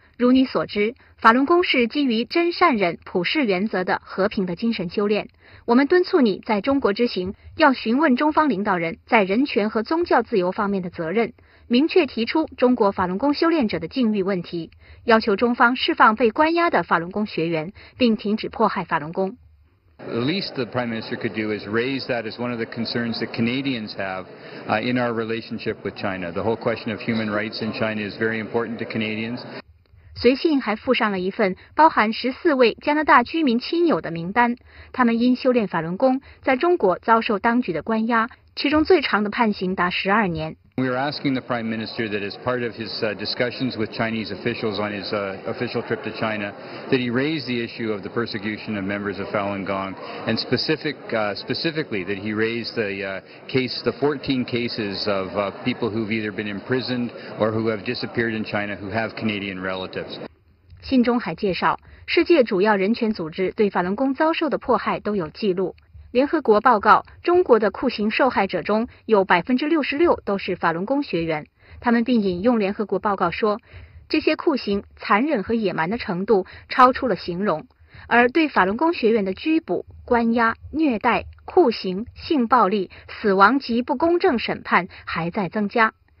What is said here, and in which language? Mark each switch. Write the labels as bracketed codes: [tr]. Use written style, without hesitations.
[zh] 如你所知，法轮功是基于真善忍普世原则的和平的精神修炼。我们敦促你在中国之行要询问中方领导人在人权和宗教自由方面的责任，明确提出中国法轮功修炼者的境遇问题，要求中方释放被关押的法轮功学员，并停止迫害法轮功。 [en] The least the Prime Minister could do is raise that as one of the concerns that Canadians have in our relationship with China. The whole question of human rights in China is very important to Canadians. [zh] 随信还附上了一份包含14位加拿大居民亲友的名单，他们因修炼法轮功在中国遭受当局的关押，其中最长的判刑达12年。 [en] We are asking the Prime Minister that as part of his discussions with Chinese officials on his official trip to China, that he raise the issue of the persecution of members of Falun Gong, and specifically that he raise the 14 cases of people who've either been imprisoned or who have disappeared in China who have Canadian relatives. [zh] 信中还介绍，世界主要人权组织对法轮功遭受的迫害都有记录。联合国报告，中国的酷刑受害者中有66%都是法轮功学员。他们并引用联合国报告说，这些酷刑残忍和野蛮的程度超出了形容，而对法轮功学员的拘捕、关押、虐待、酷刑、性暴力、死亡及不公正审判还在增加。